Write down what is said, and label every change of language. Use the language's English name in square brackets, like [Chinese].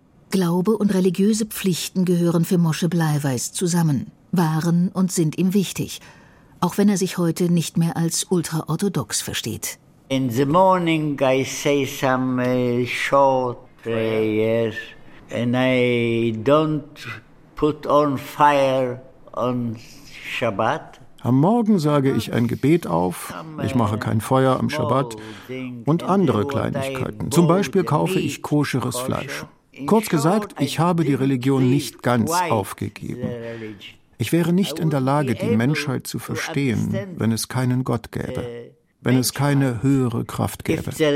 [German] Glaube und religiöse Pflichten gehören für Moshe Bleiweiß zusammen, waren und sind ihm wichtig, auch wenn er sich heute nicht mehr als ultraorthodox versteht. [English] In the morning I say some short prayers and I don't put on fire [German] und Schabbat. Am Morgen sage ich ein Gebet auf, ich mache kein Feuer am Schabbat und andere Kleinigkeiten. Zum Beispiel kaufe ich koscheres Fleisch. Kurz gesagt, ich habe die Religion nicht ganz aufgegeben. Ich wäre nicht in der Lage, die Menschheit zu verstehen, wenn es keinen Gott gäbe, wenn es keine höhere Kraft gäbe.